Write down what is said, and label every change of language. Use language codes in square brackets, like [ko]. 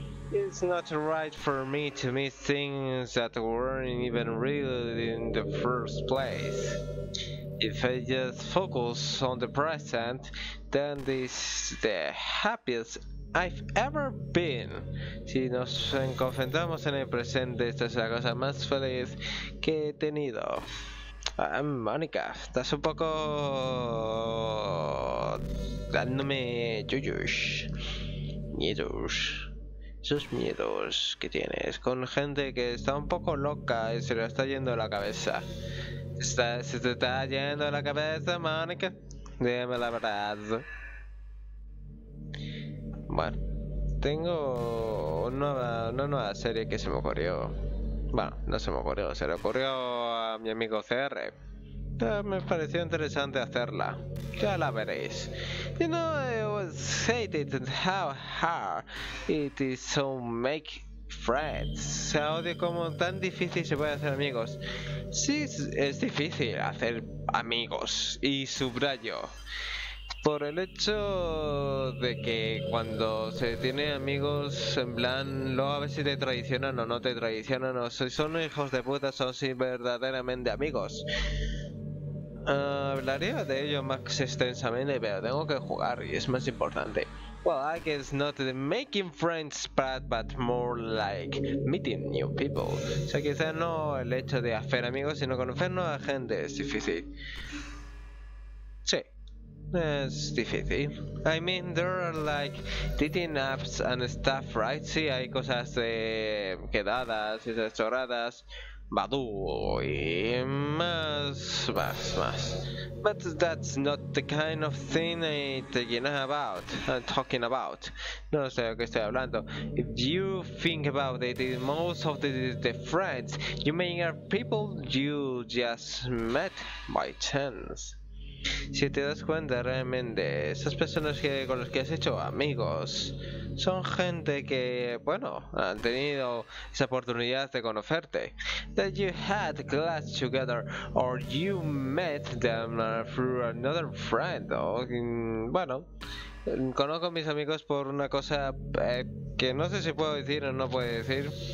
[en] It's not right for me to miss things that weren't even real in the first place. If I just focus on the present, then this is the happiest I've ever been. [es] Si nos concentramos en el presente, esta es la cosa más feliz que he tenido. Mónica, estás un poco dándome yuyus, miedos, esos miedos que tienes con gente que está un poco loca y se le está yendo la cabeza. Se te está yendo la cabeza, Mónica. Dime la verdad. Bueno, tengo una nueva serie que se me ocurrió. Bueno, no se me ocurrió, se le ocurrió a mi amigo CR. Me pareció interesante hacerla. Ya la veréis. [en] You know, I always hated how hard it is to make friends. [es] Se odio como tan difícil se puede hacer amigos. Sí, es difícil hacer amigos. Y subrayo. Por el hecho de que cuando se tiene amigos, en plan, luego a ver si te traicionan o no te traicionan, o si son hijos de puta, son si verdaderamente amigos. Hablaría de ello más extensamente, pero tengo que jugar y es más importante. [en] Well, I guess not the making friends part, but more like meeting new people. [es] O sea, quizás no el hecho de hacer amigos, sino conocer nueva gente es difícil. Sí. [en] It's difficult. I mean, there are like dating apps and stuff, right? [es] Sí, hay cosas de quedadas y chorradas, Badoo y más. [en] But that's not the kind of thing I'm talking about. [es] No sé de qué estoy hablando. [en] If you think about it, most of the friends you may are people you just met by chance. [es] Si te das cuenta realmente, esas personas que con las que has hecho amigos son gente que, bueno, han tenido esa oportunidad de conocerte. [en] That you had class together or you met them through another friend. [es] O, bueno, conozco a mis amigos por una cosa que no sé si puedo decir o no puedo decir,